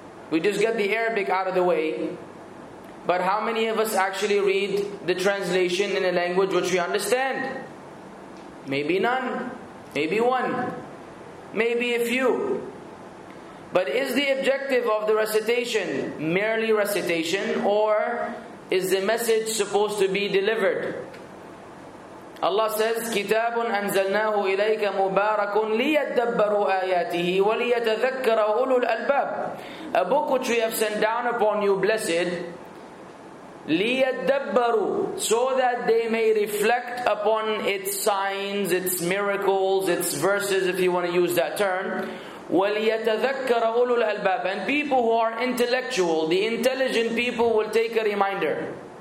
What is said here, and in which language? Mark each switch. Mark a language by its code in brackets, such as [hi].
[en] We just get the Arabic out of the way. But how many of us actually read the translation in a language which we understand? Maybe none. Maybe one. Maybe a few. But is the objective of the recitation merely recitation, or is the message supposed to be delivered? Allah says, [ar] كِتَابٌ أَنزَلْنَاهُ إِلَيْكَ مُبَارَكٌ لِيَتَّبَّرُوا آيَاتِهِ وَلِيَتَذَكَّرَ أُولُو الْأَلْبَابِ. [en] A book which we have sent down upon you, blessed, لِيَتَّبَّرُوا, so that they may reflect upon its signs, its miracles, its verses, if you want to use that term. [ar] وَلِيَتَذَكَّرَ أُولُو الْأَلْبَابِ, [en] and people who are intellectual, the intelligent people, will take a reminder.